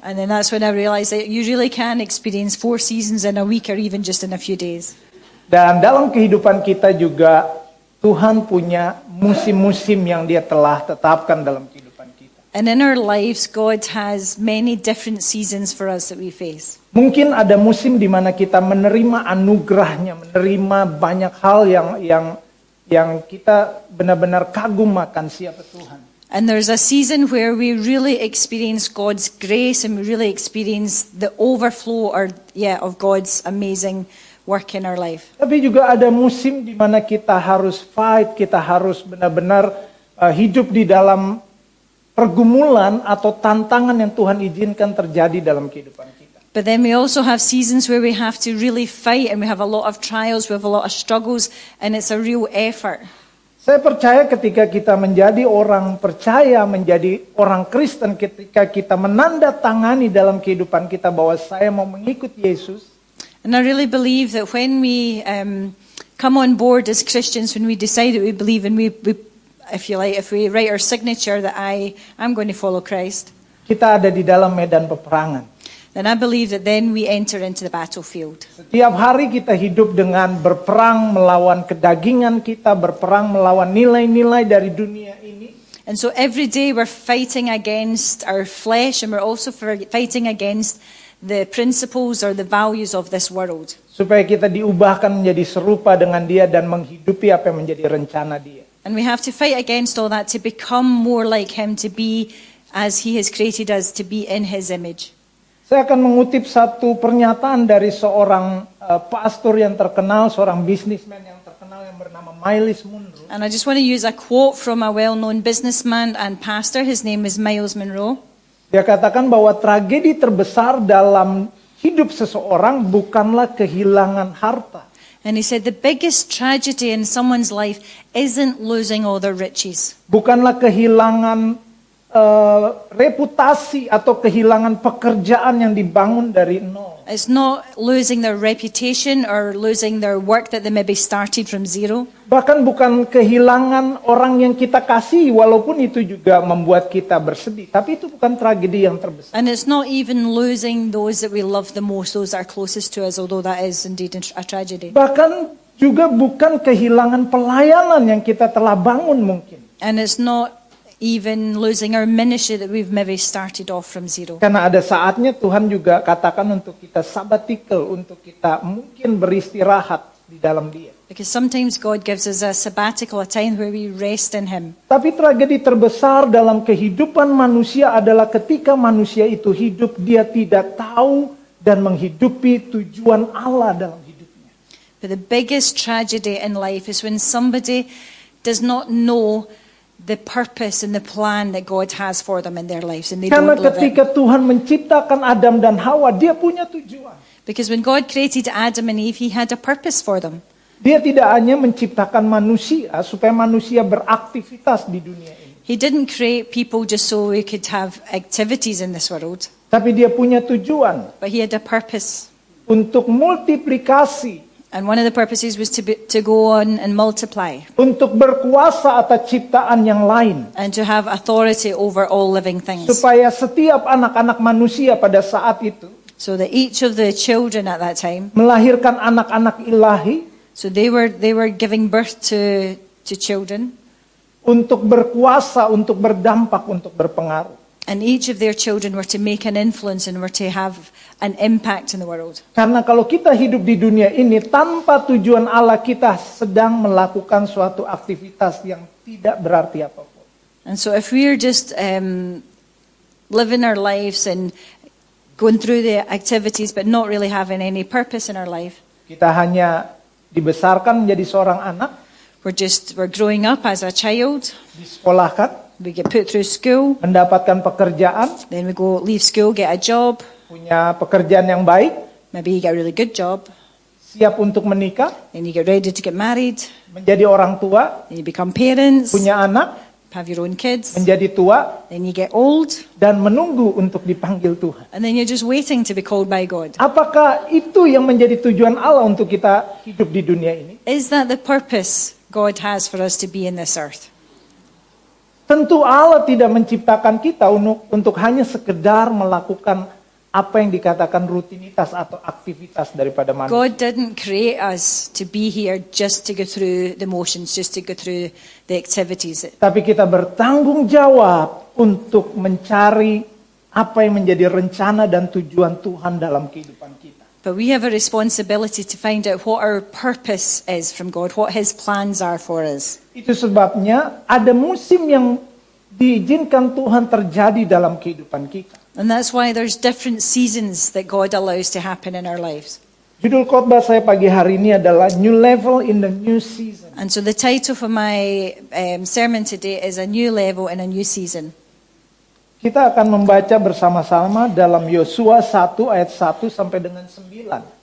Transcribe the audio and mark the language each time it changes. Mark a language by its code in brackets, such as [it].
[en] And then that's when I realized that you really can experience 4 seasons in a week or even just in a few days. [id] Dan dalam kehidupan kita juga Tuhan punya musim-musim yang Dia telah tetapkan dalam kehidupan. [en] And in our lives, God has many different seasons for us that we face. [id] Mungkin ada musim di mana kita menerima anugerahnya, menerima banyak hal yang kita benar-benar kagum akan siapa Tuhan. [en] And there's a season where we really experience God's grace and we really experience the overflow of God's amazing work in our life. [id] Tapi juga ada musim di mana kita harus fight, kita harus benar-benar hidup di dalam pergumulan atau tantangan yang Tuhan izinkan terjadi dalam kehidupan kita. [en] But then we also have seasons where we have to really fight and we have a lot of trials, we have a lot of struggles and it's a real effort. [id] Saya percaya ketika kita menjadi orang percaya, menjadi orang Kristen, ketika kita menandatangani dalam kehidupan kita bahwa saya mau mengikut Yesus. [en] And I really believe that when we come on board as Christians, when we decide that we believe and we if you like, if we write our signature that I'm going to follow Christ. [id] Kita ada di dalam medan peperangan. [en] Then I believe that then we enter into the battlefield. [id] Setiap hari kita hidup dengan berperang melawan kedagingan kita, berperang melawan nilai-nilai dari dunia ini. [en] And so every day we're fighting against our flesh, and we're also fighting against the principles or the values of this world. [id] Supaya kita diubahkan menjadi serupa dengan Dia dan menghidupi apa yang menjadi rencana Dia. [en] And we have to fight against all that to become more like Him, to be as He has created us, to be in His image. [id] Saya akan mengutip satu pernyataan dari seorang pastor yang terkenal, seorang businessman yang terkenal yang bernama Miles Monroe. [en] And I just want to use a quote from a well-known businessman and pastor. His name is Miles Monroe. [id] Dia katakan bahwa tragedi terbesar dalam hidup seseorang bukanlah kehilangan harta. [en] And he said the biggest tragedy in someone's life isn't losing all their riches. [id] Bukanlah kehilangan reputasi atau kehilangan pekerjaan yang dibangun dari nol. [en] It's not losing their reputation or losing their work that they maybe started from zero. [id] Bahkan bukan kehilangan orang yang kita kasihi, walaupun itu juga membuat kita bersedih. Tapi itu bukan tragedi yang terbesar. [en] And it's not even losing those that we love the most, those that are closest to us, although that is indeed a tragedy. [id] Bahkan juga bukan kehilangan pelayanan yang kita telah bangun mungkin. [en] And it's not even losing our ministry that we've maybe started off from zero. [id] Karena ada saatnya Tuhan juga katakan untuk kita sabbatical, untuk kita mungkin beristirahat di dalam Dia. [en] Because sometimes God gives us a sabbatical, a time where we rest in Him. [id] Tapi tragedi terbesar dalam kehidupan manusia adalah ketika manusia itu hidup dia tidak tahu dan menghidupi tujuan Allah dalam hidupnya. [en] But the biggest tragedy in life is when somebody does not know the purpose and the plan that God has for them in their lives, and they [id] Karena [en] don't live [id] ketika [en] it. [id] Tuhan menciptakan Adam dan Hawa, Dia punya tujuan. [en] Because when God created Adam and Eve, He had a purpose for them. [id] Dia tidak hanya menciptakan manusia supaya manusia beraktivitas di dunia ini. [en] He didn't create people just so we could have activities in this world. [id] Tapi Dia punya tujuan. [en] But He had a purpose. [id] Untuk multiplikasi. [en] And one of the purposes was to go on and multiply. [id] Untuk berkuasa atas ciptaan yang lain. [en] And to have authority over all living things. [id] Supaya setiap anak-anak manusia pada saat itu. [en] So that each of the children at that time. [id] Melahirkan anak-anak ilahi. [en] So they were giving birth to children. [id] Untuk berkuasa, untuk berdampak, untuk berpengaruh. [en] And each of their children were to make an influence and were to have an impact in the world. [id] Karena kalau kita hidup di dunia ini tanpa tujuan Allah, kita sedang melakukan suatu aktivitas yang tidak berarti apapun. [en] And so if we're just living our lives and going through the activities but not really having any purpose in our life. [id] Kita hanya dibesarkan menjadi seorang anak. [en] We're growing up as a child. [id] Disekolahkan. [en] We get put through school. [id] Mendapatkan pekerjaan. [en] Then we go leave school, get a job. [id] Punya pekerjaan yang baik. [en] Maybe you get a really good job. [id] Siap untuk menikah. [en] Then you get ready to get married. [id] Menjadi orang tua. [en] Then you become parents. [id] Punya anak. [en] Have your own kids. [id] Menjadi tua. [en] Then you get old. [id] Dan menunggu untuk dipanggil Tuhan. [en] And then you're just waiting to be called by God. [id] Apakah itu yang menjadi tujuan Allah untuk kita hidup di dunia ini? [en] Is that the purpose God has for us to be in this earth? [id] Tentu Allah tidak menciptakan kita untuk hanya sekedar melakukan apa yang dikatakan rutinitas atau aktivitas daripada manusia. [en] God didn't create us to be here just to go through the motions, just to go through the activities. [id] Tapi kita bertanggung jawab untuk mencari apa yang menjadi rencana dan tujuan Tuhan dalam kehidupan kita. [en] But we have a responsibility to find out what our purpose is from God, what His plans are for us. [id] Itu sebabnya ada musim yang diizinkan Tuhan terjadi dalam kehidupan kita. [en] And that's why there's different seasons that God allows to happen in our lives. [id] Judul khotbah saya pagi hari ini adalah [en] New Level in the New Season. And so the title for my sermon today is A New Level in a New Season. [id] Kita akan membaca bersama-sama dalam Yosua 1 ayat 1 sampai dengan 9.